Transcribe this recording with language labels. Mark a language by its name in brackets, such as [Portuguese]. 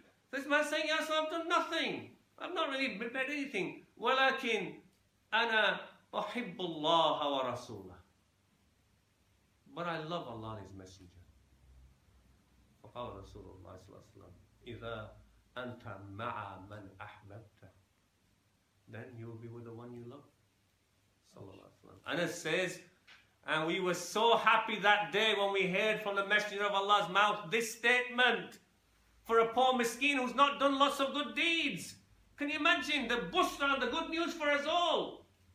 [English] This man saying, yes, I've done nothing. I've not really prepared anything. [Arabic] Walakin ana uhibbullah wa rasulah. [English] But I love Allah and His Messenger. [Arabic] فقال رسول الله صلى الله عليه وسلم إذا أنت مع من أحببت [English] then you will be with the one you love. [Arabic] صلى الله عليه وسلم. [English] Anas says, and we were so happy that day when we heard from the Messenger of Allah's mouth this statement. for a poor miskeen who's not done lots of good deeds. Can you imagine the busra and the good news for us all?